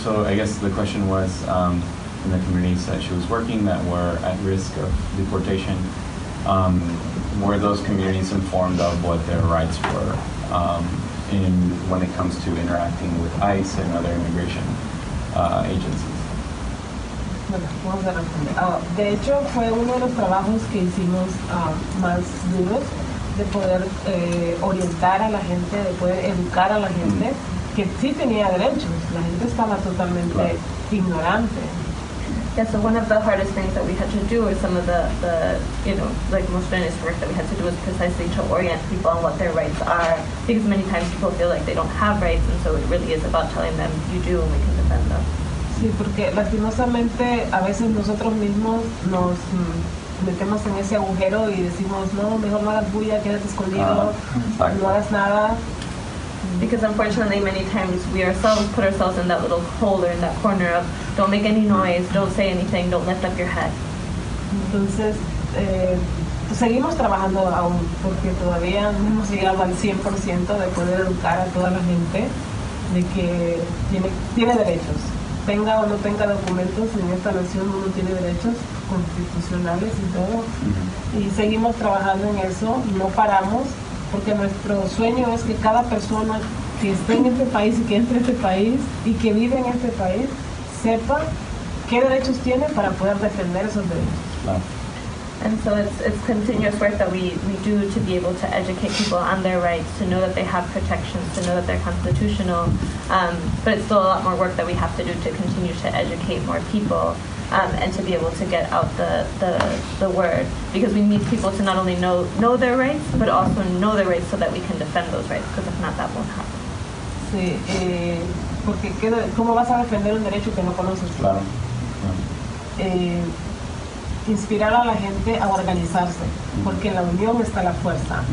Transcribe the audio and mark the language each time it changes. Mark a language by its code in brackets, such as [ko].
[en] So I guess the question was, in the communities that she was working that were at risk of deportation, were those communities informed of what their rights were in when it comes to interacting with ICE and other immigration agencies? [es] De hecho, fue uno de los trabajos que hicimos más duros de poder orientar a la gente, de poder educar a la gente que sí tenía derechos. La gente estaba totalmente ignorante. [en] Yeah, so one of the hardest things that we had to do, or some of the you know, like most feminist work that we had to do, was precisely to orient people on what their rights are, because many times people feel like they don't have rights, and so it really is about telling them, you do, and we can defend them. [es] Sí, porque lastimosamente a veces nosotros mismos nos metemos en ese agujero y decimos, no, mejor no hagas bulla, quédate escondido, no hagas nada. [en] Because unfortunately, many times we ourselves put ourselves in that little hole or in that corner of don't make any noise, don't say anything, don't lift up your head. [es] Entonces, seguimos trabajando aún porque todavía no hemos llegado al 100% de poder educar a toda la gente de que tiene derechos. Tenga o no tenga documentos en esta nación, uno tiene derechos constitucionales y todo. Y seguimos trabajando en eso, no paramos. Porque nuestro sueño es que cada persona que esté en este país y que entre este país y que vive en este país sepa qué derechos tiene para poder defender esos derechos. [en] And so it's continuous work that we do to be able to educate people on their rights, to know that they have protections, to know that they're constitutional. But it's still a lot more work that we have to do to continue to educate more people. And to be able to get out the word, because we need people to not only know their rights, but also know their rights so that we can defend those rights. Because if not, that won't happen. [es] Sí, porque cómo vas a defender un derecho que no conoces. Claro. Inspirar a la gente a organizarse, porque en la unión está la fuerza.